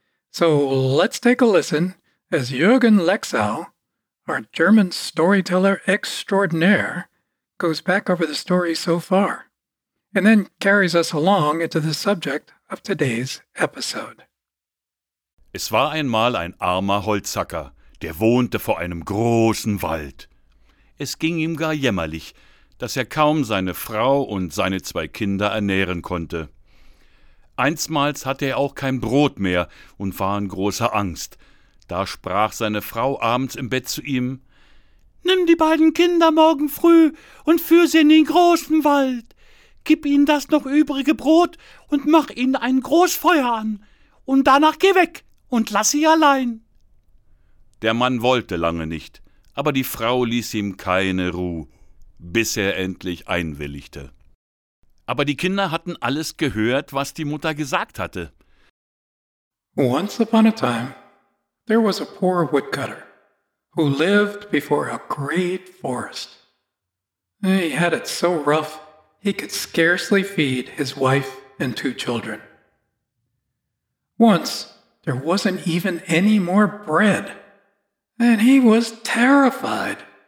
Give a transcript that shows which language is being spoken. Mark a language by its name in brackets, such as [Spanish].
[English] So let's take a listen as Jürgen Lexau, our German storyteller extraordinaire, goes back over the story so far, and then carries us along into the subject of today's episode. [German] Es war einmal ein armer Holzhacker, der wohnte vor einem großen Wald. Es ging ihm gar jämmerlich, dass er kaum seine Frau und seine zwei Kinder ernähren konnte. Einstmals hatte er auch kein Brot mehr und war in großer Angst. Da sprach seine Frau abends im Bett zu ihm: »Nimm die beiden Kinder morgen früh und führ sie in den großen Wald. Gib ihnen das noch übrige Brot und mach ihnen ein Großfeuer an. Und danach geh weg und lass sie allein.« Der Mann wollte lange nicht, aber die Frau ließ ihm keine Ruhe, bis er endlich einwilligte. Aber die Kinder hatten alles gehört, was die Mutter gesagt hatte. [English] Once upon a time, there was a poor woodcutter who lived before a great forest. He had it so rough, he could scarcely feed his wife and two children. Once, there wasn't even any more bread, and he was terrified.